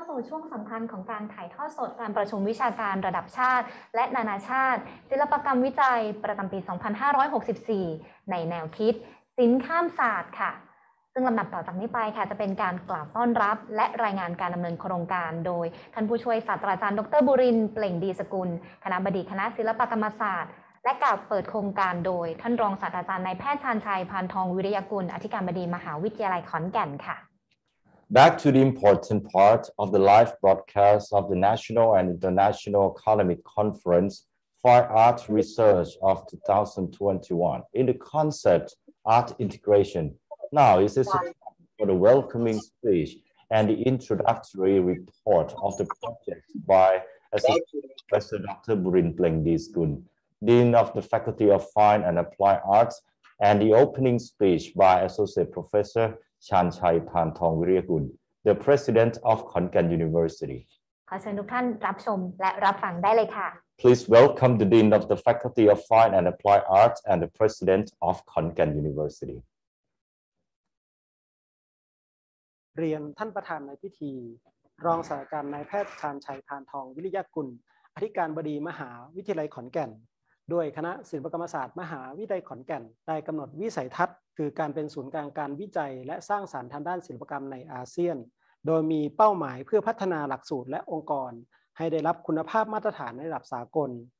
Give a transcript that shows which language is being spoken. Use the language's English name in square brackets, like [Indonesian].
[Thai] ช่วงสำคัญของการถ่ายทอดสดการประชุมวิชาการระดับชาติและนานาชาติศิลปกรรมวิจัยประจำปี2564ในแนวคิดสินข้ามศาสตร์ค่ะซึ่งลำดับต่อจากนี้ไปค่ะจะเป็นการกล่าวต้อนรับและรายงานการดำเนินโครงการโดยท่านผู้ช่วยศาสตราจารย์ดร. บุรินทร์เปล่งดีสกุลคณบดีคณะศิลปกรรมศาสตร์และกล่าวเปิดโครงการโดยท่านรองศาสตราจารย์นายแพทย์ชาญชัยพานทองวิริยกุลอธิการบดีมหาวิทยาลัยขอนแก่นค่ะ [English] Back to the important part of the live broadcast of the National and International Academic Conference Fine Art Research of 2021 in the concept Art Integration. Now it is time for the welcoming speech and the introductory report of the project by Assistant Professor Dr. Burin Pleng Diskun, Dean of the Faculty of Fine and Applied Arts, and the opening speech by Associate Professorชาญชัยพานทองวิริยกุล The President of Khon Kaen University [Thai] ขอเชิญทุกท่านรับชมและรับฟังได้เลยค่ะ [English] Please welcome the Dean of the Faculty of Fine and Applied Arts and the President of Khon Kaen University [Thai] เรียนท่านประธานในพิธีรองศาสตราจารย์นายแพทย์ชาญชัยพานทองวิริยกุลอธิการบดีมหาวิทยาลัยขอนแก่นด้วยคณะศิลปกรรมศาสตร์มหาวิทยาลัยขอนแก่นได้กำหนดวิสัยทัศน์คือการเป็นศูนย์กลางการวิจัยและสร้างสรรค์ทางด้านศิลปกรรมในอาเซียนโดยมีเป้าหมายเพื่อพัฒนาหลักสูตรและองค์กรให้ได้รับคุณภาพมาตรฐานในระดับสากล